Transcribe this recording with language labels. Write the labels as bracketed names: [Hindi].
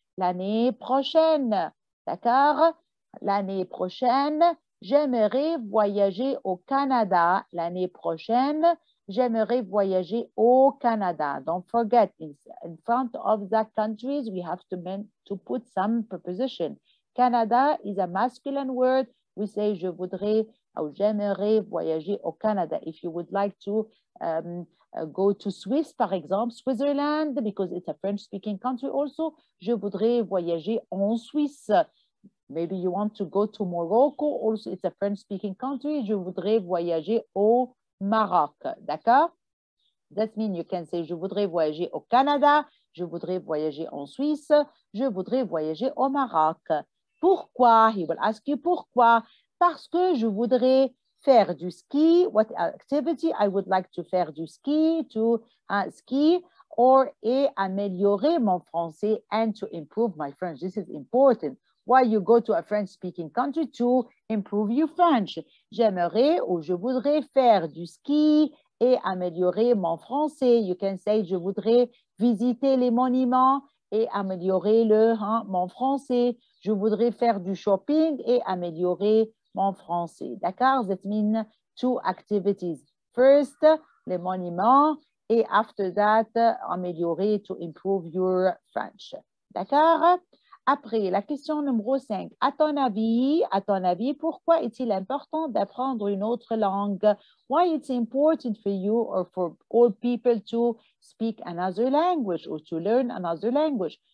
[French] L'année prochaine. D'accord? L'année prochaine, j'aimerais voyager au Canada. L'année prochaine, j'aimerais voyager au Canada. [English] Don't forget, in front of the countries, we have to put some preposition. Canada is a masculine word. We say, [French] je voudrais ou j'aimerais voyager au Canada. [English] If you would like to go to Swiss, [French] par exemple, [English] Switzerland, because it's a French-speaking country also, [French] je voudrais voyager en Suisse. [English] Maybe you want to go to Morocco, also it's a French-speaking country. [French] Je voudrais voyager au Maroc, d'accord? [English] That means you can say, [French] je voudrais voyager au Canada, je voudrais voyager en Suisse, je voudrais voyager au Maroc. Pourquoi? [English] He will ask you [French] pourquoi. Parce que je voudrais faire du ski. [English] What activity? I would like to [French] faire du ski, [English] to ski. Or [French] et améliorer mon français [English] and to improve my French. This is important. Why you go to a French-speaking country to improve your French. [French] J'aimerais ou je voudrais faire du ski et améliorer mon français. [English] You can say [French] je voudrais visiter les monuments et améliorer mon français. Je voudrais faire du shopping et améliorer mon français. D'accord? [English] That means two activities. First, [French] les monuments et [English] after that, améliorer to improve your French. D'accord? [French] Après, la question numéro 5. À ton avis, pourquoi est-il important d'apprendre une autre langue? [English] Why it's important for you or for all people to speak another language or to learn another language?